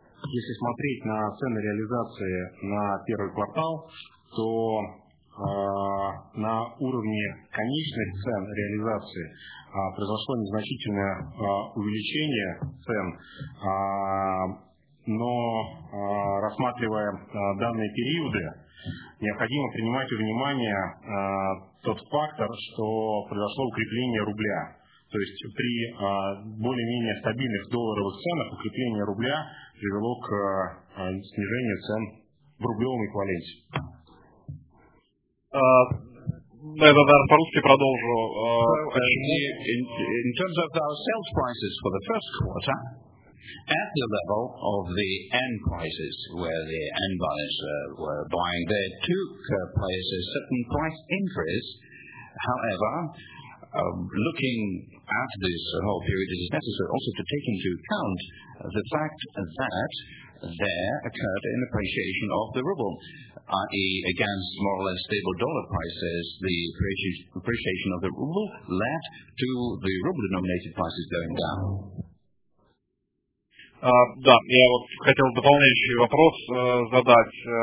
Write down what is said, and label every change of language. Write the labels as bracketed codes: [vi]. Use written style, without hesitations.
[ru] Если смотреть на цены реализации на первый квартал, то на уровне конечных цен реализации произошло незначительное увеличение цен, но рассматривая данные периоды, необходимо принимать во внимание тот фактор, что произошло укрепление рубля. То есть при более-менее стабильных долларовых ценах укрепление рубля привело к снижению цен в рублевом эквиваленте. Ну, я, наверное, по-русски продолжу. [en] In terms of our sales prices for the first quarter, at the level of the N prices, where the N buyers were buying, they took place a certain price increase. However, looking at this whole period, it is necessary also to take into account the fact that there occurred an appreciation of the ruble, i.e. against more or less stable dollar prices, the appreciation of the ruble led to the ruble-denominated prices going down. [ru] Да, я вот хотел дополняющий вопрос задать.